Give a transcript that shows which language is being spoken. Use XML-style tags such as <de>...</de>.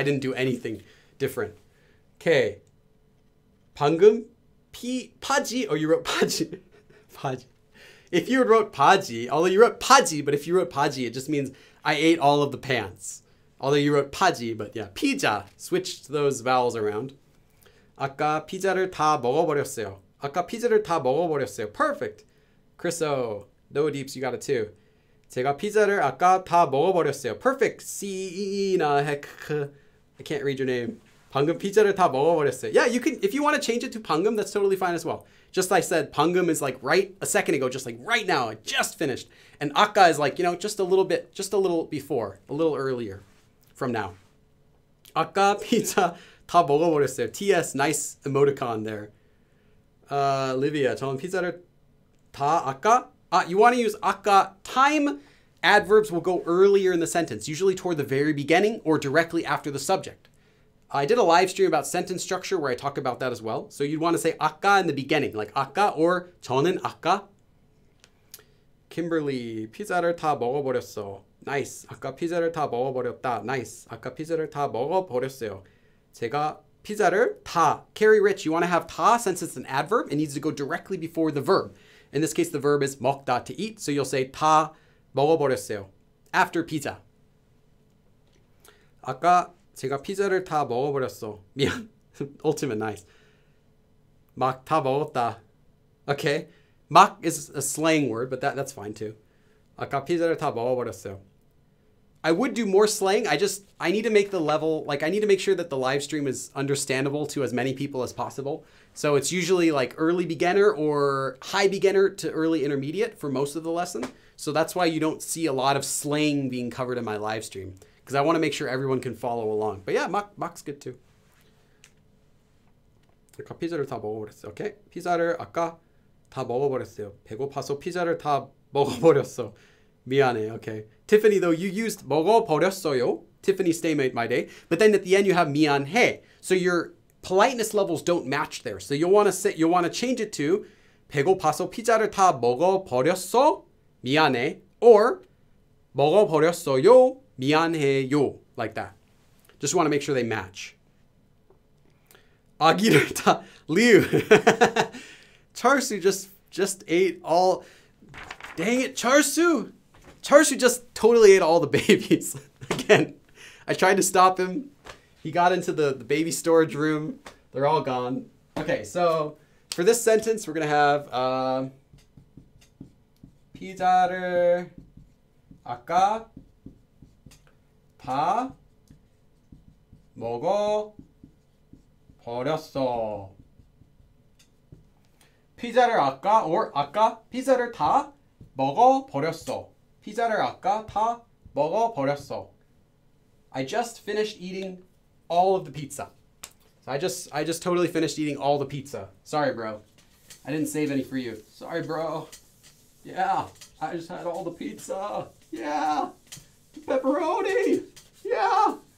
<en>I didn't do anything different. Okay. Pangum? Paji? Oh, you wrote paji. Paji. If you wrote paji, although you wrote paji, but if you wrote paji, it just means I ate all of the pants. Although you wrote paji, but yeah. Pizza. Switched those vowels around.</en> <ko>아까 피자를 다 먹어버렸어요. 아까 피자를 다 먹어버렸어요.</ko> <en>Perfect. Chriso, no deeps, you got it too.</en> <ko>제가 피자를 아까 다 먹어버렸어요.</ko> <en>Perfect. Sina, heck. I can't read your name.</en> <ko>방금 피자를 다 먹어버렸어요.</ko> <en>Yeah, you can, if you want to change it to 방금, that's totally fine as well. Just like I said, 방금 is like right a second ago, just like right now, I just finished. And 아까 is like, you know, just a little bit, just a little before, a little earlier from now.</en> <ko>아까 피자 다 먹어버렸어요.</ko> <en>TS, nice emoticon there. Livia,</en> <ko>저는 피자를 다 아까?</ko> <en>You want to use 아까. Time adverbs will go earlier in the sentence, usually toward the very beginning or directly after the subject. I did a live stream about sentence structure where I talk about that as well. So you'd want to say 아까 in the beginning, like 아까 or</en> <ko>저는 아까. Kimberly, 피자를 다 먹어버렸어. Nice. 아까 피자를 다 먹어버렸다.</ko> <en>Nice.</en> <ko>아까 피자를 다 먹어버렸어요. 제가 피자를 다.</ko> <en>Carrie Rich, you want to have 다 since it's an adverb. It needs to go directly before the verb. In this case, the verb is 먹다, to eat. So you'll say</en> <ko>다 먹어버렸어요</ko> <en>after pizza.</en> <ko>아까 제가 피자를 다 먹어버렸어. 미안.</ko> <en>Ultimate, nice.</en> <ko>막 다 먹었다.</ko> <en>Okay. 막 is a slang word, but that's fine too.</en> <ko>아까 피자를 다 먹어버렸어요.</ko> <en>I would do more slang. I need to make the level, like I need to make sure that the live stream is understandable to as many people as possible. So it's usually like early beginner or high beginner to early intermediate for most of the lesson. So that's why you don't see a lot of slang being covered in my live stream, because I want to make sure everyone can follow along. But yeah, Mach's good too.</en> <ko>아까 피자를 다 먹어버렸어요.</ko> <en>Okay.</en> <ko>피자를 아까 다 먹어버렸어요. 배고파서 피자를 다 먹어버렸어. 미안해, okay.</ko> <en>Tiffany, though, you used 먹어버렸어요. Tiffany, stay made my day. But then at the end, you have 미안해. So your politeness levels don't match there. So you'll want to change it to</en> <ko>배고파서 피자를 다 먹어버렸어. 미안해.</ko> <en>Or</en> <ko>먹어버렸어요. 미안해요.</ko> <en>Like that. Just want to make sure they match.</en> <ko>아기를 다</ko> <en>leave. Charsu just ate all. Dang it, Charsu! Charsu just totally ate all the babies. Again, I tried to stop him. He got into the baby storage room. They're all gone. Okay, so for this sentence, we're gonna have</en> <ko>피자를 아까 다 먹어 버렸어. 피자를 아까 or 아까 피자를 다 먹어 버렸어. 피자를 아까 다 먹어 버렸어.</ko> <en>I just finished eating all of the pizza. So I just totally finished eating all the pizza. Sorry, bro. I didn't save any for you. Sorry, bro. Yeah, I just had all the pizza. Yeah, the pepperoni. Yeah.</en>